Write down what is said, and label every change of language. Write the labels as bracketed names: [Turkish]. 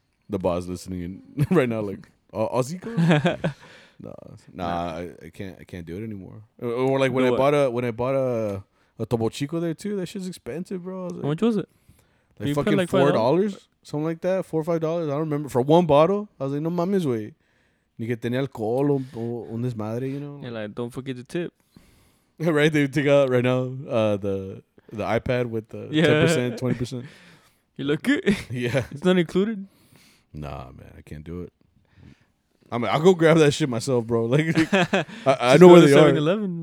[English] The boss listening in right now, like, Aussie girl? Nah. I can't do it anymore. Or like, when I bought a Topo Chico there, too, that shit's expensive, bro. Like, how much was it? Like, you fucking like $4? Something like that, $4 or $5. I don't remember. For one bottle, I was like, [Spanish] no mames, wey. Ni que tenía alcohol o desmadre, [English] you know? Yeah, like, don't forget the tip. Right, they take out right now the iPad with the 10%, 20%. You look good. Yeah. It's not included? Nah, man, I can't do it. I mean, I'll go grab that shit myself, bro. Like, I know where they 7-11, are. 7-Eleven.